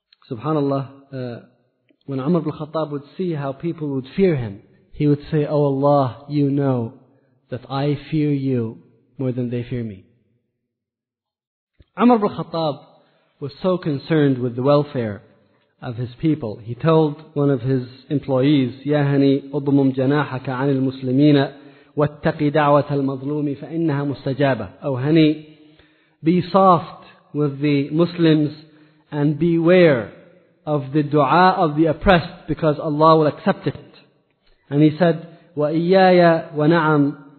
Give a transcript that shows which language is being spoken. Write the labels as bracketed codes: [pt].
[en] Subhanallah, when Umar ibn Khattab would see how people would fear him, he would say, oh Allah, you know that I fear you more than they fear me. Umar ibn Khattab was so concerned with the welfare of his people. He told one of his employees, [ar] يَهَنِي أُضْمُمْ جَنَاحَكَ عَنِ الْمُسْلِمِينَ وَاتَّقِ دَعْوَةَ الْمَظْلُومِ فَإِنَّهَا مُسْتَجَابَةَ. [en] Oh, honey, be soft with the Muslims and beware of the dua of the oppressed because Allah will accept it. And he said, [ar] وَإِيَّايَ وَنَعَمْ